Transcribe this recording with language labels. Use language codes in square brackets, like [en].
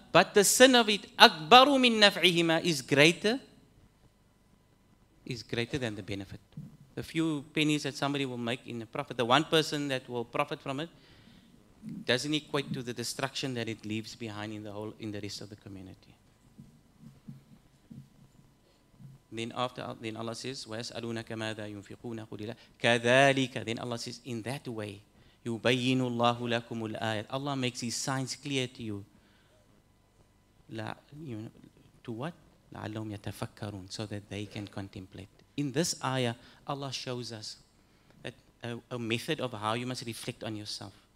[en] But the sin of it, [ar] أَكْبَرُ مِنْ نَفْعِهِمَا, [en] is greater than the benefit. The few pennies that somebody will make in a profit, the one person that will profit from it, doesn't equate to the destruction that it leaves behind in the rest of the community. Then Allah says, [ar] وَيَسْأَلُونَكَ مَاذَا يُنْفِقُونَ قُلِ لَا كَذَلِكَ. [en] Then Allah says, in that way, [ar] يُبَيِّنُ اللَّهُ لَكُمُ الْآيَةِ. [en] Allah makes his signs clear to you. To what? [ar] لَعَلَّهُمْ يَتَفَكَّرُونَ. [en] So that they can contemplate. In this ayah, Allah shows us that a method of how you must reflect on yourself.